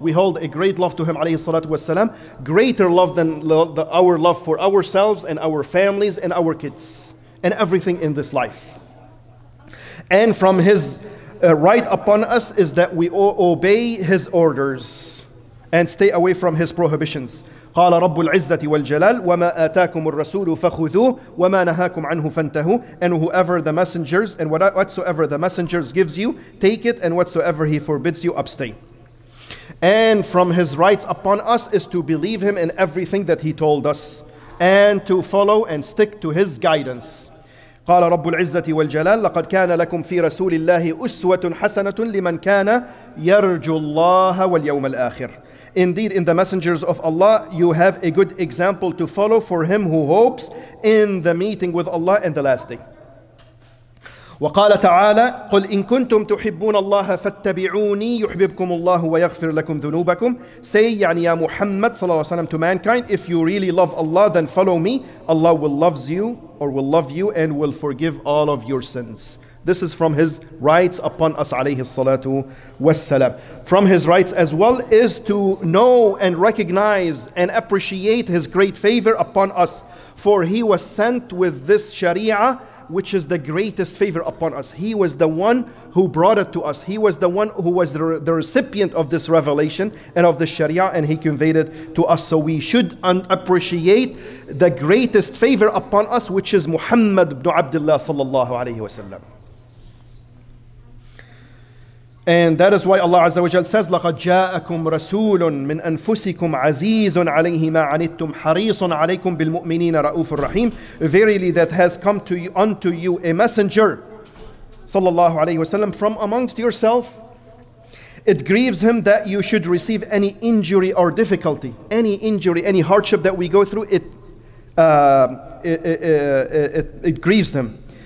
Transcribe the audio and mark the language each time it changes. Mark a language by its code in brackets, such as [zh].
[en] We hold a great love to him alayhi salatu wasalam, greater love than our love for ourselves and our families and our kids and everything in this life. And from his right upon us is that we obey his orders and stay away from his prohibitions. [ar] قال رب العزة والجلال وما آتاكم الرسول فخذوه وما نهاكم عنه فانتهوا. [en] And whoever the messengers and whatsoever the messengers gives you, take it, and whatsoever he forbids you, abstain. And from his rights upon us is to believe him in everything that he told us and to follow and stick to his guidance. [ar] قال رب العزة والجلال لقد كان لكم في رسول الله أسوة حسنة لمن كان يرجو الله واليوم الآخر. [en] Indeed, in the messengers of Allah, you have a good example to follow for him who hopes in the meeting with Allah in the last day. [ar] وقال تعالى قل إن كنتم تحبون الله فاتبعوني يحببكم الله ويغفر لكم ذنوبكم. [en] Say, [ar] يعني يا محمد صلى الله عليه وسلم, [en] to mankind, if you really love Allah, then follow me. Allah will love you and will forgive all of your sins. This is from his rights upon us alayhi salatu wassalam. From his rights as well is to know and recognize and appreciate his great favor upon us. For he was sent with this Sharia, which is the greatest favor upon us. He was the one who brought it to us. He was the one who was the recipient of this revelation and of the Sharia, and he conveyed it to us. So we should appreciate the greatest favor upon us, which is Muhammad ibn Abdullah sallallahu alayhi wasallam. And that is why Allah Azza wa Jalla says, [ar] لَقَدْ جَاءَكُمْ رَسُولٌ مِنْ أَنفُسِكُمْ عَزِيزٌ عَلَيْهِ مَا عَنِتُّمْ حَرِيصٌ عَلَيْكُمْ بِالْمُؤْمِنِينَ رَؤُوفٌ رَحِيمٌ. [en] Verily, that has come to you, unto you, a messenger, sallallahu alayhi wa sallam, from amongst yourself. It grieves him that you should receive any injury or difficulty, any injury, any hardship that we go through, it grieves him.